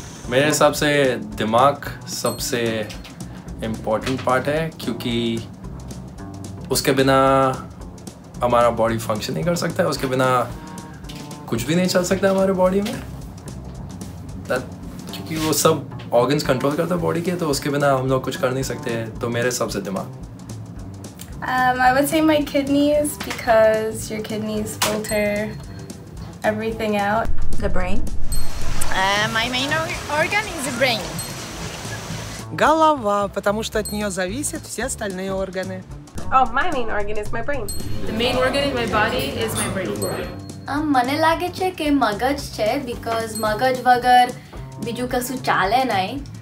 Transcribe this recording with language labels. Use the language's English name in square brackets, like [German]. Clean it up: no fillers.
[Hindi] मेरे सबसे दिमाग सबसे [English] important part [Hindi] है क्योंकि उसके बिना हमारा [English] body function [Hindi] नहीं कर सकता है उसके बिना कुछ भी नहीं चल सकता हमारे body में. That क्योंकि वो सब [English] organs control [Hindi] करता है body के तो उसके बिना हम लोग कुछ कर नहीं सकते तो मेरे सबसे दिमाग. [English] I would say my kidneys because your kidneys filter everything out. The brain. My main organ is the brain. [Russian] Голова, потому что от нее зависят все остальные органы. [English] Oh, my main organ is my brain. The main organ in my body is my brain. [Gujarati] Мне лаગે છે કે મગજ છે [English] because [Gujarati] મગજ વગર બીજું કશું ચાલે નહીં.